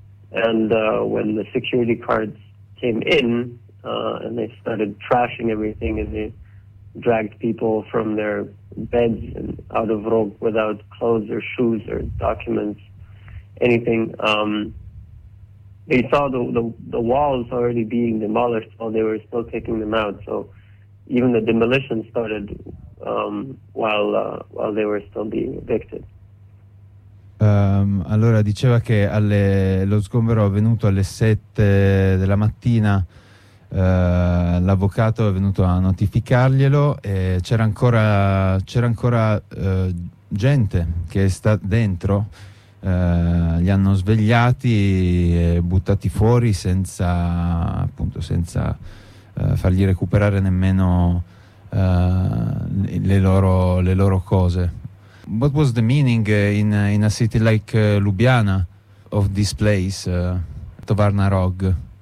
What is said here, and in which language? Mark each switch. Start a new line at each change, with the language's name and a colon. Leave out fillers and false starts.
English: And when the security guards came in and they started trashing everything and they dragged people from their beds and out of ROG without clothes or shoes or documents, anything, they saw the walls already being demolished while they were still taking them out. So even the demolition started while they were still being evicted.
Italian: Allora diceva che lo sgombero è avvenuto alle 7 della mattina. L'avvocato è venuto a notificarglielo e c'era ancora gente che sta dentro. Li hanno svegliati e buttati fuori senza fargli recuperare nemmeno le loro cose.
English: What was the meaning in a city like Lubiana of this place, Tovarna ROG?